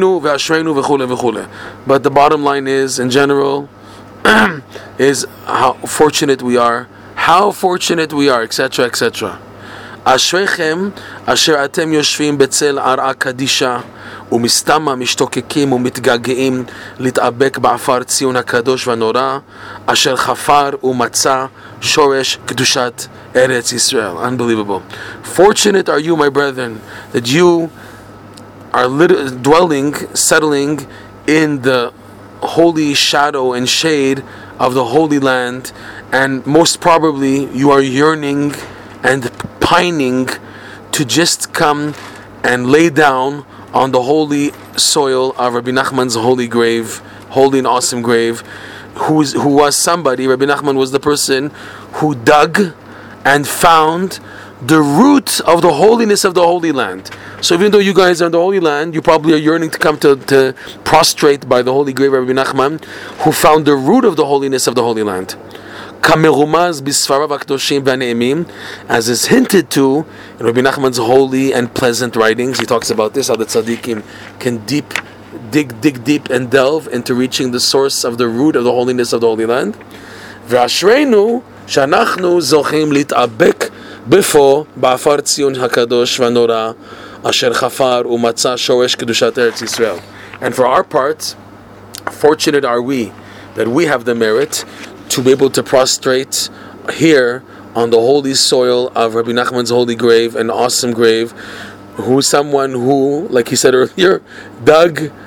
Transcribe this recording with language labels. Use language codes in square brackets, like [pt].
[en] But the bottom line is, in general, is how fortunate we are. How fortunate we are, etc., etc. [he] אשריכם אשר אתם יושבים בצל ערה קדישה ומסתמה משתוקקים ומתגעגעים להתאבק באפר ציון הקדוש והנורא אשר חפר ומצא שורש קדושת ארץ ישראל. [en] Unbelievable. Fortunate are you, my brethren, that you are settling in the holy shadow and shade of the Holy Land, and most probably you are yearning and pining to just come and lay down on the holy soil of Rabbi Nachman's holy grave, holy and awesome grave, who was somebody. Rabbi Nachman was the person who dug and found the root of the holiness of the Holy Land. So even though you guys are in the Holy Land, you probably are yearning to come to prostrate by the holy grave of Rabbi Nachman, who found the root of the holiness of the Holy Land. [he] כמרומז בספריו הקדושים והנעימים, [en] as is hinted to in Rabbi Nachman's holy and pleasant writings. He talks about this, how the tzaddikim can dig deep and delve into reaching the source of the root of the holiness of the Holy Land. [he] ואשרינו שאנחנו זוכים להתאבק בפו באפר ציון הקדוש והנורא אשר חפר ומצא שורש קדושת ארץ ישראל. [en] And for our part, fortunate are we that we have the merit to be able to prostrate here on the holy soil of Rabbi Nachman's holy grave, an awesome grave, who is someone who, like he said earlier, dug